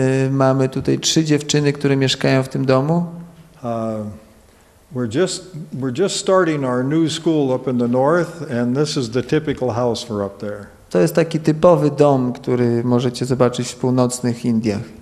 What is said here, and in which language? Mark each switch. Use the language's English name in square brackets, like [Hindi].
[Polish] Mamy tutaj trzy dziewczyny, które mieszkają w tym domu. [English] We're just starting our new school up in the north, and this is the typical house for up there. [Polish] To jest taki typowy dom, który możecie zobaczyć w północnych Indiach.